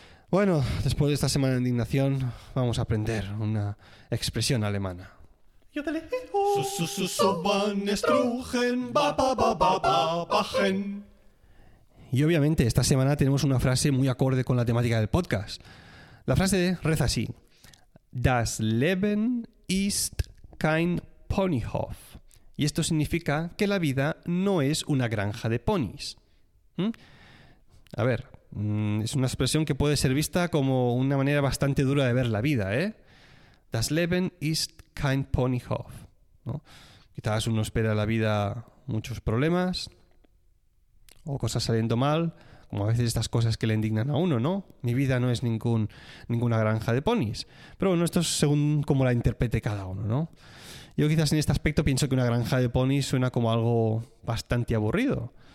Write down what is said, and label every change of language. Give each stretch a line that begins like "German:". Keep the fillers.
Spanish: Bueno, después de esta semana de indignación, vamos a aprender una expresión alemana. Y obviamente esta semana tenemos una frase muy acorde con la temática del podcast. La frase reza así.
German: Das Leben ist kein Ponyhof.
Spanish: Y esto significa que la vida no es una granja de ponis. A ver, mm, es una expresión que puede ser vista como una manera bastante dura de ver la vida, ¿eh?
German: Das Leben ist kein Ponyhof.
Spanish: ¿no? Quizás uno espera la vida muchos problemas o cosas saliendo mal, como a veces estas cosas que le indignan a uno, ¿no? Mi vida no es ningún, ninguna granja de ponis. Pero bueno, esto es según como la interprete cada uno, ¿no? Yo quizás en este aspecto pienso que una granja de ponis suena como algo bastante aburrido.